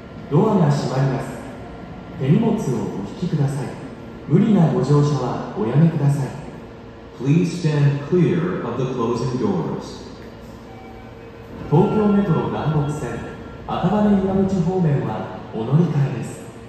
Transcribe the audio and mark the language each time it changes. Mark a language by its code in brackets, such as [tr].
[ja] ドアが閉まります。手荷物をお引きください。無理なご乗車はおやめください。 [en] Please stand clear of the closing doors. [ja] 東京メトロ南北線赤羽岩口方面はお乗り換えです。